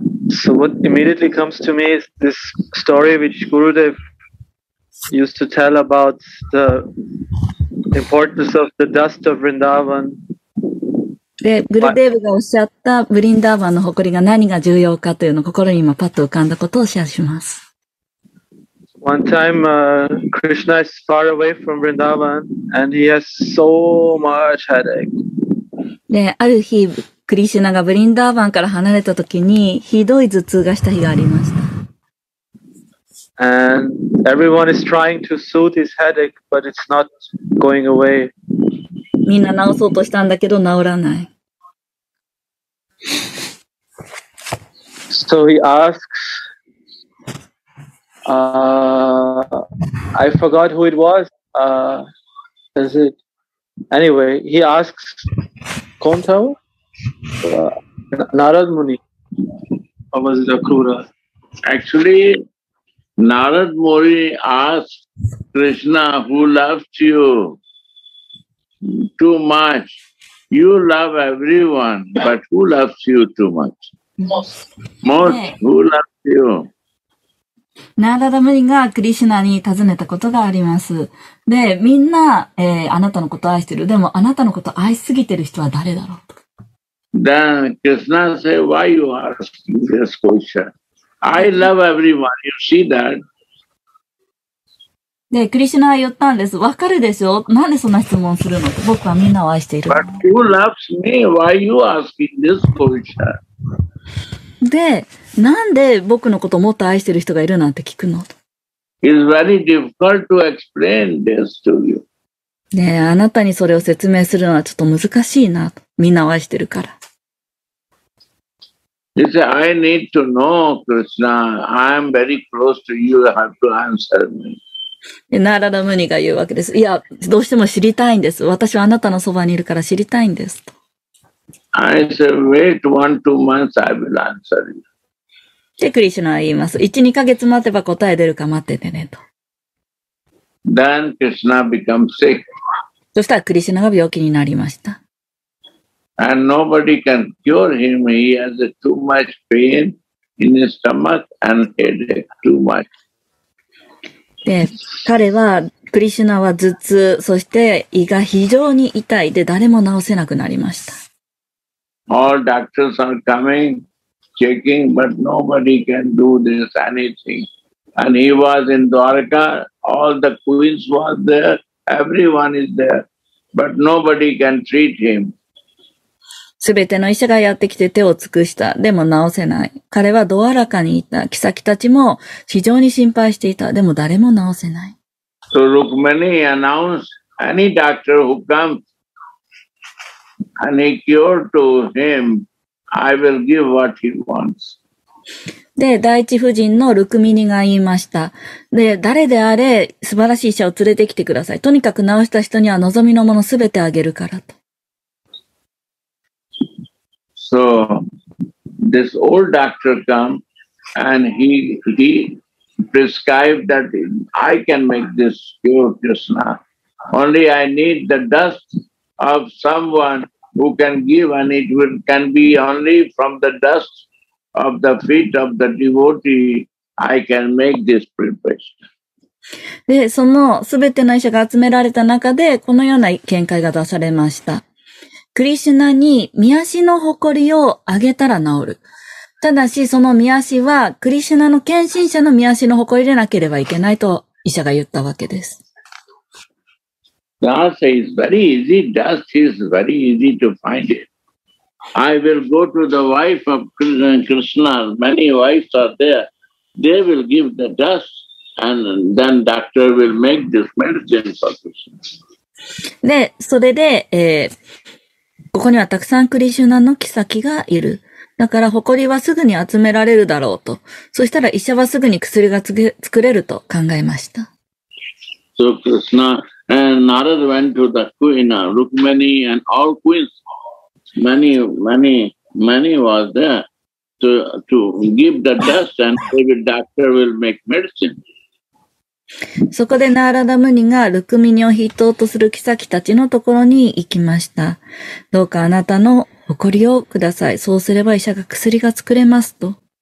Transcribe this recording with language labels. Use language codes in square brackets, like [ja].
[en] So what immediately comes to me is this story which Gurudev used to tell about the importance of the dust of Vrindavan. [ja] で、グルデーブがおっしゃったブリンダーバンの誇りが何が重要かというのを心に今パッと浮かんだことをシェアします。 [en] One time, Krishna is far away from Vrindavan and he has so much headache. [ja] で、ある日、クリシュナがブリンダーバンから離れた時にひどい頭痛がした日がありました。 [en] And everyone is trying to soothe his headache, but it's not going away. [ja] みんな治そうとしたんだけど治らない。 [en] So he asks, I forgot who it was. Is it? Anyway, he asks, Kontau? Narad Muni. Or was it Akura? Actually, Narad Muni asked Krishna, who loved you? Too much. You love everyone, but who loves you too much? Most. Who loves you? [ja] ナーラダムニがクリシュナに尋ねたことがあります。で、みんな、あなたのこと愛してる。でも、あなたのこと愛すぎてる人は誰だろうと。 [en] Then Krishna said, why you asking this question? I love everyone. You see that? [ja] で、クリシュナは言ったんです。わかるでしょ？なんでそんな質問するの？僕はみんなを愛しているの。 [en] But who loves me? Why you asking this question? [ja] で、なんで僕のことをもっと愛している人がいるなんて聞くの？ It's very difficult to explain this to you. で、あなたにそれを説明するのはちょっと難しいな。みんなを愛しているから。 [en] He said, I need to know, Krishna. I am very close to you. You have to answer me. [ja] ナララムニが言うわけです。いや、どうしても知りたいんです。私はあなたのそばにいるから知りたいんですと。 [en] I said, wait one, two months, I will answer you. [ja] で、クリシュナは言います。1、2ヶ月待てば答え出るか待っててねと。 [en] Then Krishna becomes sick. [ja] そしたらクリシュナが病気になりました。 [en] And nobody can cure him. He has too much pain in his stomach and headache too much. [ja] で、彼は、クリシュナは頭痛、そして胃が非常に痛いで、誰も治せなくなりました。 [en] All doctors are coming, checking, but nobody can do this, anything. And he was in Dwarka, all the queens were there, everyone is there, but nobody can treat him. [ja] すべての医者がやってきて手を尽くした。でも治せない。彼はドアラカにいた。キサキたちも非常に心配していた。でも誰も治せない。 [en] So Rukmini announced any doctor who comes and he cured to him, I will give what he wants. [ja] で、第一夫人のルクミニが言いました。で、誰であれ素晴らしい医者を連れてきてください。とにかく治した人には望みのものすべてあげるからと。 [en] So, this old doctor come and he prescribed that I can make this cure, Krishna. Only I need the dust of someone who can give and it will, can be only from the dust of the feet of the devotee I can make this prescription. [ja] で、そのすべての医者が集められた中でこのような見解が出されました。クリシュナに御足の埃をあげたら治る。ただし、その御足は、クリシュナの献身者の御足の埃でなければいけないと医者が言ったわけです。 [en] Dust is very easy. Dust is very easy to find it. I will go to the wife of Krishna. Many wives are there. They will give the dust and then doctor will make this medicine for Krishna. [ja] で、それで、ここにはたくさんクリシュナの妃がいる。だから埃はすぐに集められるだろうと。そしたら医者はすぐに薬が作れると考えました。 [en] So Krishna and Narada went to the queen, Rukmini and all queens. Many was there to give the dust and the doctor will make medicine. [ja] そこでナーラダムニがルクミニを筆頭とするキサキたちのところに行きました。どうかあなたの誇りをください。そうすれば医者が薬が作れますと。